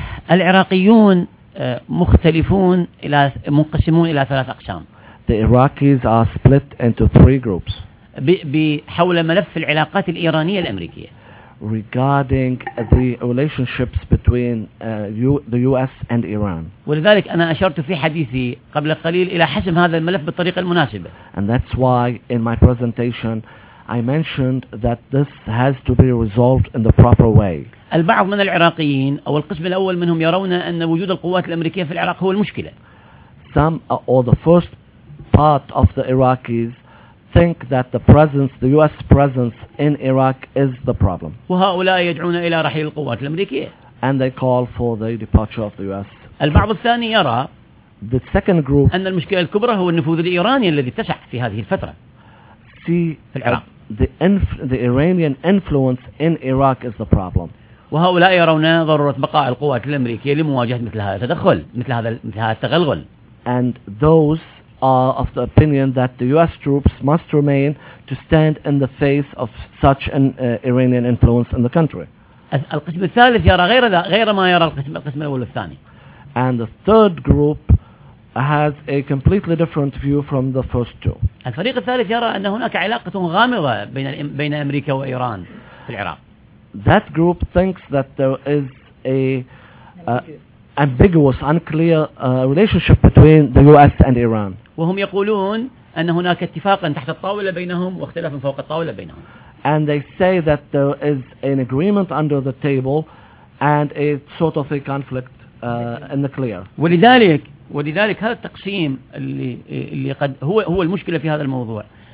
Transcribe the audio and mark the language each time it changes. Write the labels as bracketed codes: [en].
[ar] العراقيون مختلفون إلى منقسمون إلى ثلاث أقسام. [en] The Iraqis are split into three groups. [ar] بحول ملف العلاقات الإيرانية الأمريكية. [en] Regarding the relationships between the U.S. and Iran. [ar] ولذلك أنا أشرت في حديثي قبل قليل إلى حسم هذا الملف بالطريقة المناسبة. [en] And that's why in my presentation I mentioned that this has to be resolved in the proper way. [ar] البعض من العراقيين أو القسم الأول منهم يرون أن وجود القوات الأمريكية في العراق هو المشكلة. [en] Some or the first part of the Iraqis think that the presence, the U.S. presence in Iraq is the problem. [ar] وهؤلاء يدعون إلى رحيل القوات الأمريكية. [en] And they call for the departure of the U.S. [ar] البعض الثاني يرى [en] the second group [ar] أن المشكلة الكبرى هو النفوذ الإيراني الذي اتسع في هذه الفترة. [en] See [ar] في العراق. [en] The Iranian influence in Iraq is the problem. [ar] وهؤلاء يرون ضرورة بقاء القوات الأمريكية لمواجهة مثل هذا التدخل، مثل هذا التغلغل. [en] And those are of the opinion that the U.S. troops must remain to stand in the face of such an Iranian influence in the country. [ar] القسم الثالث يرى غير ما يرى القسم الأول والثاني. [en] And the third group has a completely different view from the first two. [ar] الفريق الثالث يرى أن هناك علاقة غامضة بين أمريكا وإيران في العراق. [en] That group thinks that there is a ambiguous, unclear relationship between the U.S. and Iran. [ar] وهم يقولون أن هناك اتفاقا تحت الطاولة بينهم واختلافا فوق الطاولة بينهم. [en] And they say that there is an agreement under the table and a sort of a conflict in the clear. [ar] ولذلك هذا التقسيم اللي قد هو المشكلة في هذا الموضوع.